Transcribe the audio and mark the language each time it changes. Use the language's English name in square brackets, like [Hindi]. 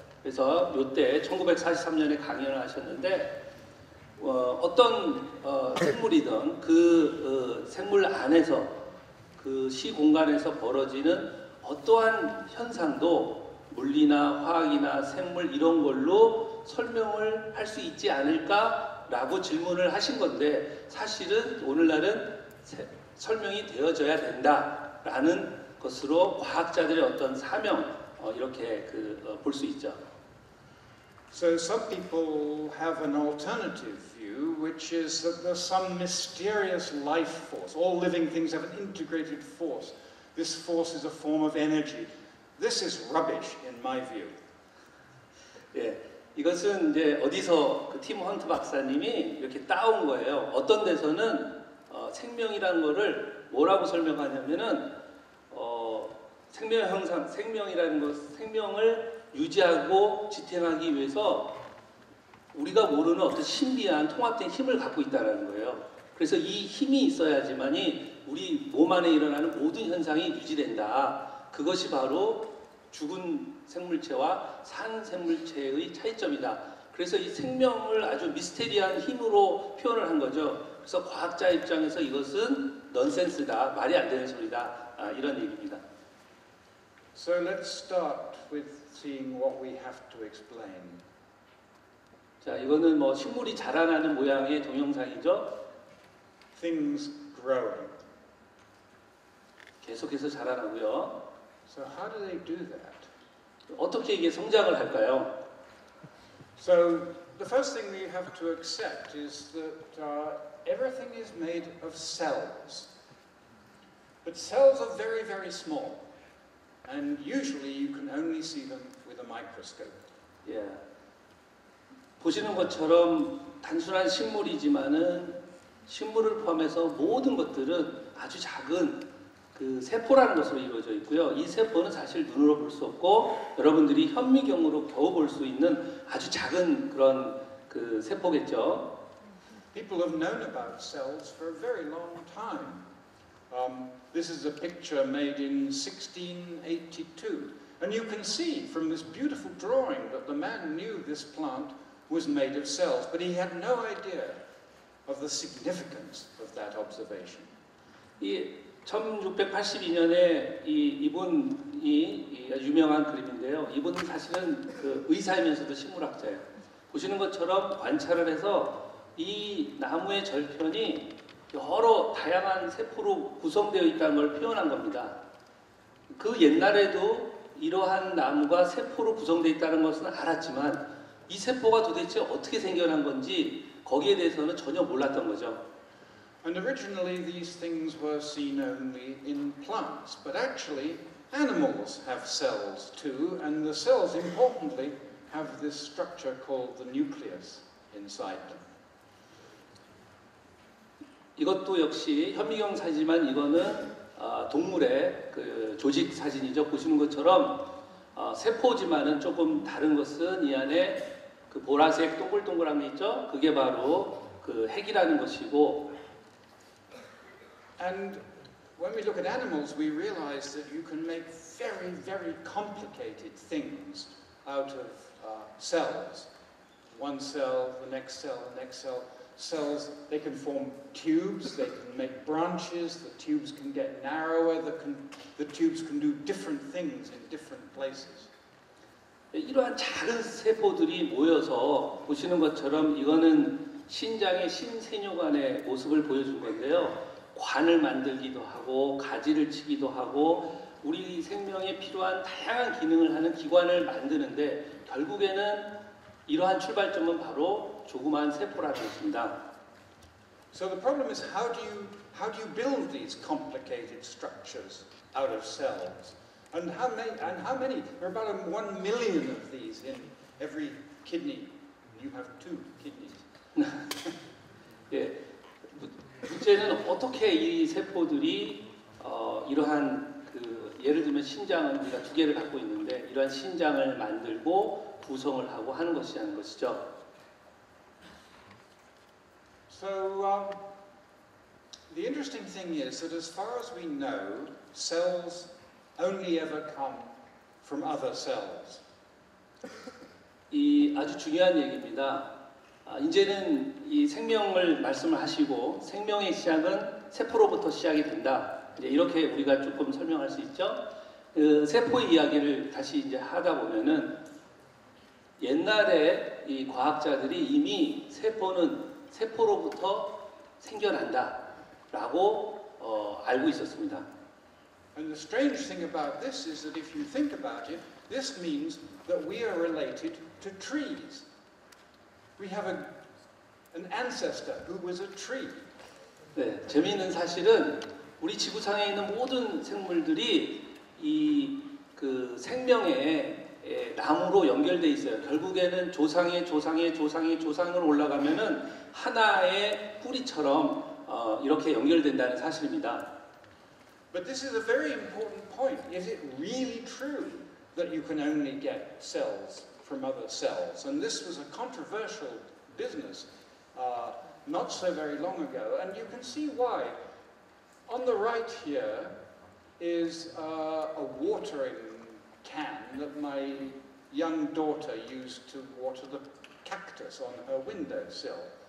[Korean] 그래서 이때 1943년에 강연을 하셨는데 어떤 생물이든 그 생물 안에서 그 시공간에서 벌어지는 어떠한 현상도 물리나 화학이나 생물 이런 걸로 설명을 할 수 있지 않을까라고 질문을 하신 건데 사실은 오늘날은 설명이 되어져야 된다라는 것으로 과학자들의 어떤 사명 이렇게 볼 수 있죠. [English] So some people have an alternative view, which is that there's some mysterious life force. All living things have an integrated force. This force is a form of energy. This is rubbish in my view. [Korean] 예, 이것은 이제 어디서 팀 헌트 박사님이 이렇게 따온 거예요. 어떤 데서는 생명이라는 거를 뭐라고 설명하냐면은 생명 형상, 생명이라는 것, 생명을 유지하고 지탱하기 위해서 우리가 모르는 어떤 신비한 통합된 힘을 갖고 있다는 거예요. 그래서 이 힘이 있어야지만이 우리 몸 안에 일어나는 모든 현상이 유지된다. 그것이 바로 죽은 생물체와 산 생물체의 차이점이다. 그래서 이 생명을 아주 미스테리한 힘으로 표현을 한 거죠. 그래서 과학자 입장에서 이것은 넌센스다, 말이 안 되는 소리다, 이런 얘기입니다. [English] So let's start with seeing what we have to explain. [Korean] 자, 이거는 뭐 식물이 자라나는 모양의 동영상이죠. [English] Things growing. [Korean] 계속해서 자라나고요. [English] So how do they do that? [Korean] 어떻게 이게 성장을 할까요? [English] So the first thing we have to accept is that everything is made of cells. But cells are very, very small. And usually you can only see them with a microscope. Yeah. [Korean] 보시는 것처럼 단순한 식물이지만은 식물을 포함해서 모든 것들은 아주 작은 그 세포라는 것으로 이루어져 있고요. 이 세포는 사실 눈으로 볼 수 없고 여러분들이 현미경으로 겨우 볼 수 있는 아주 작은 그런 그 세포겠죠. [English] People have known about cells for a very long time. This is a picture made in 1682. And you can see from this beautiful drawing that the man knew this plant was made of cells, but he had no idea of the significance of that observation. [Korean] 1682년에 이분이 유명한 그림인데요. 이분은 사실은 그 의사이면서도 식물학자예요. 보시는 것처럼 관찰을 해서 이 나무의 절편이 여러 다양한 세포로 구성되어 있다는 걸 표현한 겁니다. 그 옛날에도 이러한 나무가 세포로 구성되어 있다는 것은 알았지만 이 세포가 도대체 어떻게 생겨난 건지 거기에 대해서는 전혀 몰랐던 거죠. [English] And originally these things were seen only in plants, but actually animals have cells too, and the cells importantly have this structure called the nucleus inside them. [Korean] 이것도 역시 현미경 사진이지만 이거는 동물의 그 조직 사진이죠. 보시는 것처럼 세포지만은 조금 다른 것은 이 안에 그 보라색 동글동글한 게 있죠. 그게 바로 그 핵이라는 것이고. [English] And when we look at animals, we realize that you can make very, very complicated things out of cells. One cell, the next cell, the next cell. Cells, they can form tubes, they can make branches, the tubes can get narrower, the tubes can do different things in different places. [Korean] 이러한 작은 세포들이 모여서 보시는 것처럼 이거는 신장의 신생육관의 모습을 보여준 건데요. 관을 만들기도 하고 가지를 치기도 하고 우리 생명에 필요한 다양한 기능을 하는 기관을 만드는데 결국에는 이러한 출발점은 바로 조그만 세포라고 했습니다. [English] So the problem is how do you build these complicated structures out of cells? And how many? There are about 1 million of these in every kidney. You have 2 kidneys. [Korean] 예. 문제는 어떻게 이 세포들이 이러한 그 예를 들면 신장은 우리가 두 개를 갖고 있는데 이러한 신장을 만들고 구성을 하고 하는 것이 하는 것이죠. [English] So the interesting thing is that as far as we know, cells only ever come from other cells. [Korean] 이 아주 중요한 얘기입니다. 이제는 이 생명을 말씀을 하시고 생명의 시작은 세포로부터 시작이 된다. 이제 이렇게 우리가 조금 설명할 수 있죠. 그 세포의 이야기를 다시 이제 하다 보면은 옛날에 이 과학자들이 이미 세포는 세포로부터 생겨난다라고 알고 있었습니다. [English] And the strange thing about this is that if you think about it, this means that we are related to trees. We have an ancestor who was a tree. [Korean] 네, 재미있는 사실은 우리 지구상에 있는 모든 생물들이 이 그 생명의 나무로 연결돼 있어요. 결국에는 조상의 조상의 조상의 조상으로 올라가면은 하나의 뿌리처럼 이렇게 연결된다는 사실입니다. [English] But this is a very important point. Is it really true that you can only get cells from other cells? And this was a controversial business not so very long ago. And you can see why. On the right here is a watering can that my young daughter used to water the cactus on her windowsill.